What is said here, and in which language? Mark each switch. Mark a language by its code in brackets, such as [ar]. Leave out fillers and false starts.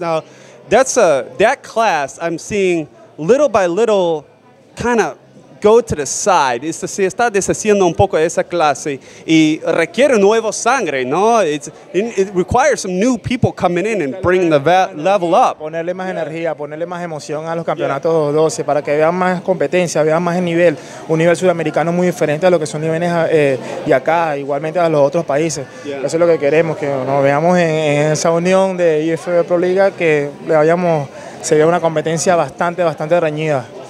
[en] Now, that class I'm seeing little by little kind of go to the side. [es] Se está deshaciendo un poco de esa clase y requiere nuevo sangre, ¿no? [en] It requires some new people coming in and bring the level up. [es] Ponerle más energía, ponerle más emoción a los campeonatos 12 para que vean más competencia, vean más el nivel. Un nivel sudamericano muy diferente a lo que son niveles de acá, igualmente a los otros países. Eso es lo que queremos, que nos veamos en esa unión de IFBB Pro Liga, que le vayamos, sería una competencia bastante, bastante reñida.